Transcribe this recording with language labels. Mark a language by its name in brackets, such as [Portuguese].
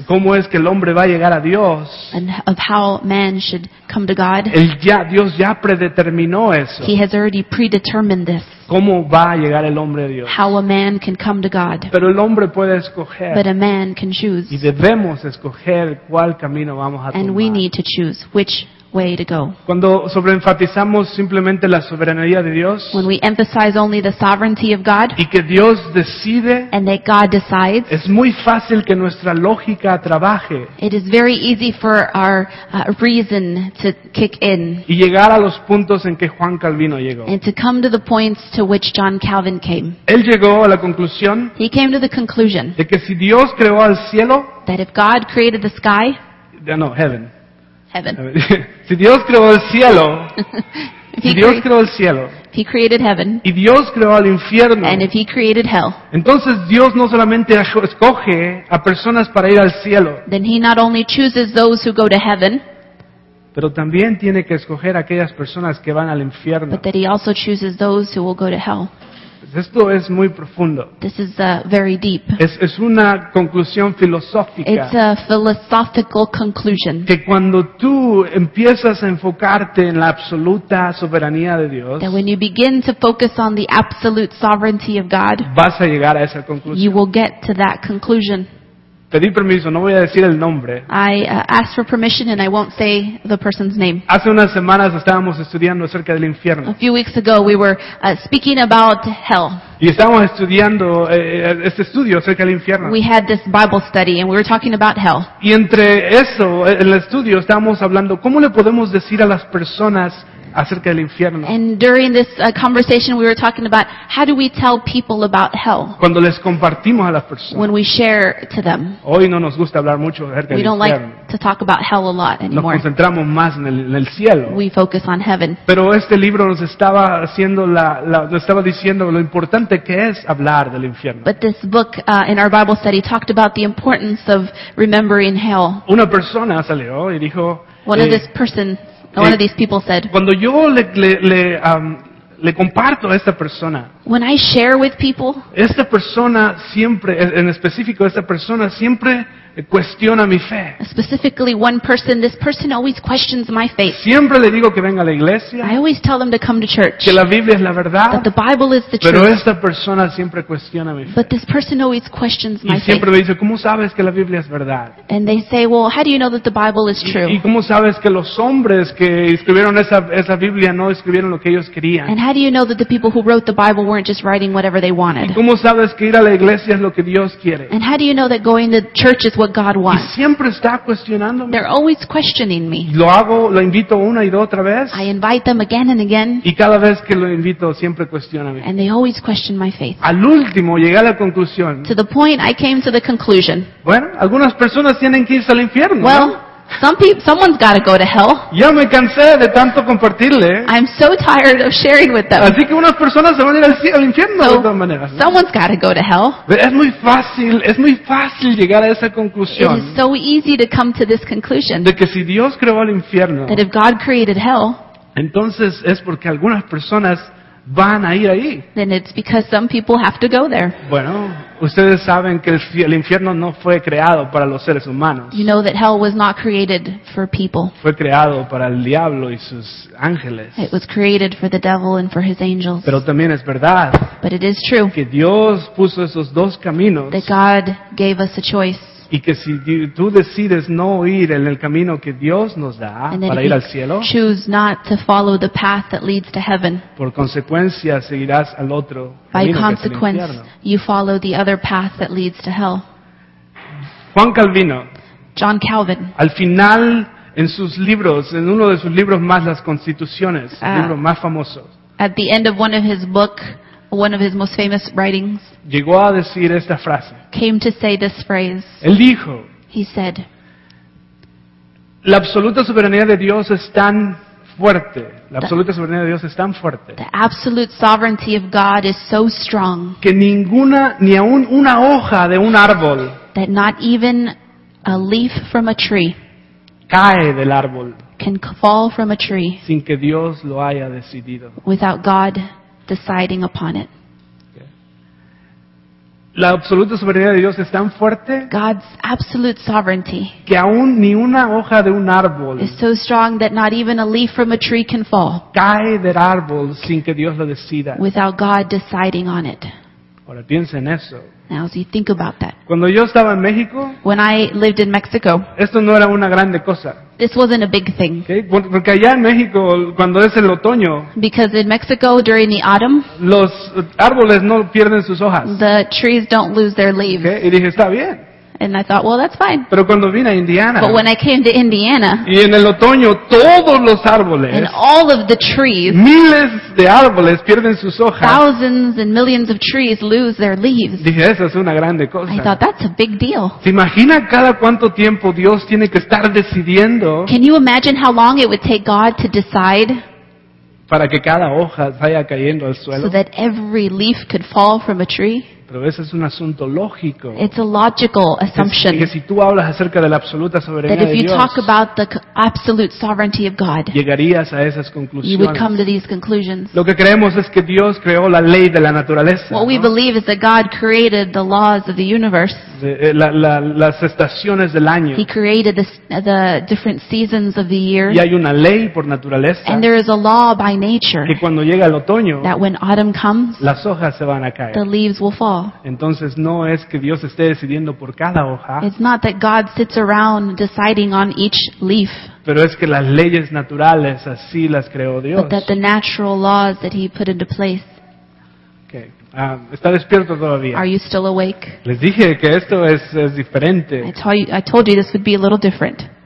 [Spanish] cómo es que el hombre va a llegar a Dios, [English] and of how man should come to God. [Spanish] Dios ya predeterminó eso. [English] He has already predetermined this. [Spanish] ¿Cómo va a llegar el hombre a Dios? [English] How a man can come to God. [Spanish] Pero el hombre puede escoger. [English] But a man can choose. [Spanish] Y debemos escoger cuál camino vamos a tomar. [English] And we need to choose which way to go. [Spanish] Cuando sobreenfatizamos simplemente la soberanía de Dios, [English] when we emphasize only the sovereignty of God, [Spanish] y que Dios decide, [English] and that God decides, [Spanish] es muy fácil que nuestra lógica trabaje. [English] It is very easy for our reason to kick in. [Spanish] Y llegar a los puntos en que Juan Calvino llegó. [English] And to come to the points to which John Calvin came. [Spanish] Él llegó a la conclusión, [English] he came to the conclusion, [Spanish] de que si Dios creó al cielo, [English] that if God created the sky, [Spanish] no, heaven. [English] Heaven. [Spanish] Si Dios creó el cielo, [English] He created heaven. [Spanish] Y Dios creó el infierno. [English] And if he created hell. [Spanish] Entonces Dios no solamente escoge a personas para ir al cielo. [English] Then he not only chooses those who go to heaven. [Spanish] Pero también tiene que escoger aquellas personas que van al infierno. [English] But that he also chooses those who will go to hell. [Spanish] Esto es muy profundo. [English] This is very deep. [Spanish] Es una conclusión filosófica. [English] It's a philosophical conclusion. [Spanish] Que cuando tú empiezas a enfocarte en la absoluta soberanía de Dios, [English] that when you begin to focus on the absolute sovereignty of God, [Spanish] vas a llegar a esa conclusión. [English] You will get to that conclusion. [Spanish] Pedí permiso, no voy a decir el nombre. [English] I asked for permission and I won't say the person's name. [Spanish] Hace unas semanas estábamos estudiando acerca del infierno. [English] A few weeks ago we were speaking about hell. [Spanish] Y estábamos estudiando este estudio acerca del infierno. [English] We had this Bible study and we were talking about hell. [Spanish] Y entre eso, en el estudio, estábamos hablando, ¿cómo le podemos decir a las personas acerca del infierno? [English] And during this conversation we were talking about how do we tell people about hell? [Spanish] Cuando les compartimos a las personas. [English] When we share to them. [Spanish] Hoy no nos gusta hablar mucho acerca del infierno. [English] We don't like to talk about hell a lot anymore. [Spanish] Nos concentramos más en el cielo. [English] We focus on heaven. [Spanish] Pero este libro nos estaba diciendo lo importante que es hablar del infierno. [English] But this book in our Bible study talked about the importance of remembering hell. [Spanish] Una persona salió y dijo, [English] one of these people said, [Spanish] cuando yo le comparto a esta persona, [English] When I share with people, [Spanish] esta persona siempre, en específico, esta persona siempre cuestiona mi fe. [English] Specifically, one person. This person always questions my faith. [Spanish] Siempre le digo que venga a la iglesia. [English] I always tell them to come to church. [Spanish] Que la Biblia es la verdad. [English] That the Bible is the truth. [Spanish] Pero esta persona siempre cuestiona mi fe. [English] But this person always questions my faith. [Spanish] Y siempre me dice, ¿cómo sabes que la Biblia es verdad? [English] And they say, well, how do you know that the Bible is true? [Spanish] ¿Y cómo sabes que los hombres que escribieron esa Biblia no escribieron lo que ellos querían? [English] And how do you know that the people who wrote the Bible weren't just writing whatever they wanted? [Spanish] ¿Y cómo sabes que ir a la iglesia es lo que Dios quiere? [English] And how do you know that going to church is what God wants? [Spanish] Y siempre está cuestionándome. [English] They're always questioning me. [Spanish] Lo hago, lo invito una y otra vez. [English] I invite them again and again. [Spanish] Y cada vez que lo invito, siempre cuestionan. [English] And they always question my faith. [Spanish] Al último, llegué a la conclusión. [English] To the point, I came to the conclusion. [Spanish] Bueno, algunas personas tienen que irse al infierno. [English] Well, [Spanish] ¿no? [English] Someone's got to go to hell. [Spanish] Ya me cansé de tanto compartirle. [English] I'm so tired of sharing with them. [Spanish] Así que unas personas se van a ir al infierno, [English] so, [Spanish] de todas maneras, ¿no? [English] Someone's got to go to hell. [Spanish] Es muy fácil llegar a esa conclusión. [English] It is so easy to come to this conclusion. [Spanish] De que si Dios creó el infierno. [English] That if God created hell. [Spanish] Entonces es porque algunas personas van a ir ahí. [English] Then it's because some people have to go there. [Spanish] Bueno, ustedes saben que el infierno no fue creado para los seres humanos. [English] You know that hell was not created for people. [Spanish] Fue creado para el diablo y sus ángeles. [English] It was created for the devil and for his angels. [Spanish] Pero también es verdad. [English] But it is true. [Spanish] Que Dios puso esos dos caminos. [English] That God gave us a choice. [Spanish] Y que si tú decides no ir en el camino que Dios nos da para ir al cielo, [English] choose not to follow the path that leads to heaven. [Spanish] Por consecuencia seguirás al otro camino, [English] by consequence, [Spanish] que es el infierno. [English] You follow the other path that leads to hell. [Spanish] Juan Calvino, [English] John Calvin, [Spanish] al final en sus libros, en uno de sus libros más, las Constituciones, el libro más famoso. [English] At the end of one of his book, one of his most famous writings, [Spanish] llegó a decir esta frase. [English] Came to say this phrase. [Spanish] Él dijo, [English] he said, [Spanish] la absoluta soberanía de Dios es tan fuerte. La absoluta soberanía de Dios es tan fuerte. [English] The absolute sovereignty of God is so strong. [Spanish] Que ninguna, ni aun una hoja de un árbol. [English] That not even a leaf from a tree. [Spanish] Cae del árbol. [English] Can fall from a tree. [Spanish] Sin que Dios lo haya decidido. [English] Without God deciding upon it. [Spanish] La absoluta soberanía de Dios es tan fuerte, [English] God's absolute sovereignty, [Spanish] que aún ni una hoja de un árbol [English] is so strong that not even a leaf from a tree can fall. [Spanish] Cae del árbol sin que Dios lo decida. [English] Without God deciding on it. [Spanish] Ahora piensa en eso. [English] Now, as you think about that. [Spanish] Cuando yo estaba en México, [English] when I lived in Mexico, [Spanish] esto no era una grande cosa. [English] This wasn't a big thing. Okay? [Spanish] Porque allá en México, cuando es el otoño, [English] because in Mexico, during the autumn, [Spanish] los árboles no pierden sus hojas. [English] The trees don't lose their leaves. Okay? [Spanish] Y dije, está bien. [English] And I thought, well, that's fine. [Spanish] Pero cuando vine a Indiana, [English] but when I came to Indiana, [Spanish] y en el otoño, todos los árboles, [English] and all of the trees, [Spanish] miles de árboles pierden sus hojas, [English] thousands and millions of trees lose their leaves. [Spanish] Dije, eso es una grande cosa. [English] I thought, that's a big deal. [Spanish] ¿Se imagina cada cuánto tiempo Dios tiene que estar decidiendo? [English] Can you imagine how long it would take God to decide? [Spanish] Para que cada hoja vaya cayendo al suelo. [English] So that every leaf could fall from a tree. [Spanish] Pero ese es un asunto lógico. [English] It's a logical assumption. [Spanish] Que si tú hablas acerca de la absoluta soberanía de Dios, [English] talk about the absolute sovereignty of God, [Spanish] llegarías a esas conclusiones. [English] You would come to these conclusions. [Spanish] Lo que creemos es que Dios creó la ley de la naturaleza. [English] What we believe is that God created the laws of the universe. [Spanish] Las estaciones del año. [English] He created the different seasons of the year. [Spanish] Y hay una ley por naturaleza. [English] And there is a law by nature. [Spanish] Que cuando llega el otoño, [English] that when autumn comes, [Spanish] las hojas se van a caer. [English] The leaves will fall. [Spanish] Entonces no es que Dios esté decidiendo por cada hoja. [English] It's not that God sits around deciding on each leaf. [Spanish] Pero es que las leyes naturales así las creó Dios. [English] But that the natural laws that He put into place. Okay. [Spanish] ¿Está despierto todavía? [English] Are you still awake? [Spanish] Les dije que esto es diferente. [English] I told you this would be a little different.